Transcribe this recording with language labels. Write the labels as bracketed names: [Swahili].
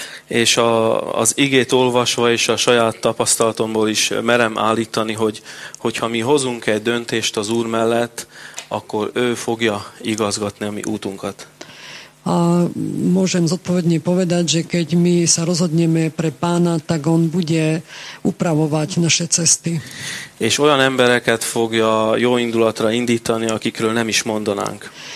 [Hungarian] És az igét olvasva és a saját tapasztalatomból is merem állítani, hogyha mi hozunk egy döntést az Úr mellett, akkor ő fogja igazgatni a mi útunkat. [Slovak] A môžem zodpovedne povedať, že keď my sa rozhodneme pre Pána, tak on bude upravovať naše cesty. [Hungarian] És olyan embereket fogja jó indulatra indítani, akikről nem is mondanánk.